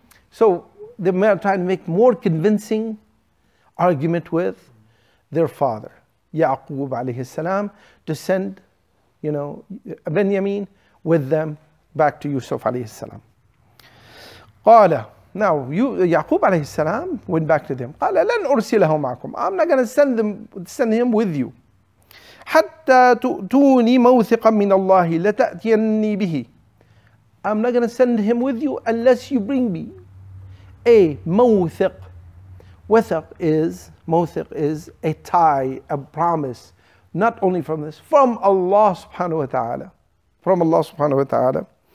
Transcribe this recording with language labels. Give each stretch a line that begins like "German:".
English: So they're trying to make more convincing argument with their father, Yaqub alayhi salam, to send, you know, Benjamin with them back to Yusuf alayhi salam. قال, now Yaqub alayhi salam went back to them.
Arabic: قال لن أرسله معكم.
English: I'm not going to send him with you.
Arabic: حتى تؤتوني موثقا من الله لتأتيني به.
English: I'm not going to send him with you unless you bring me a موثق. موثق is a tie, a promise, not only from this, from Allah subhanahu wa ta'ala. From Allah subhanahu wa ta'ala.